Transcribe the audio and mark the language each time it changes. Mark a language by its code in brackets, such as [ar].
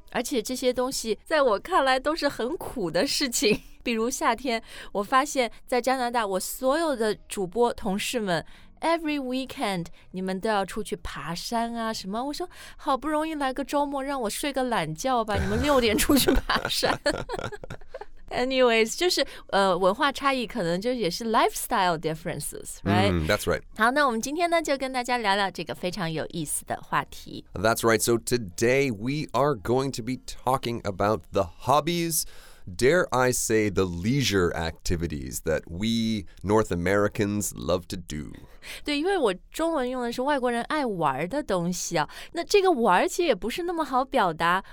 [zh] 而且这些东西在我看来都是很苦的事情，比如夏天，我发现在加拿大，我所有的主播同事们 [en] every weekend [zh] 你们都要出去爬山啊什么，我说好不容易来个周末让我睡个懒觉吧，你们六点出去爬山。 [en] Anyways, [zh] 就是文化差异可能就也是 [en] lifestyle differences, right? That's right. [zh] 好，那我们今天呢就跟大家聊聊这个非常有意思的话题。 [en] That's right. So today we are going to be talking about the hobbies, dare I say the leisure activities that we North Americans love to do. [zh] 对，因为我中文用的是外国人爱玩的东西啊。那这个玩其实也不是那么好表达。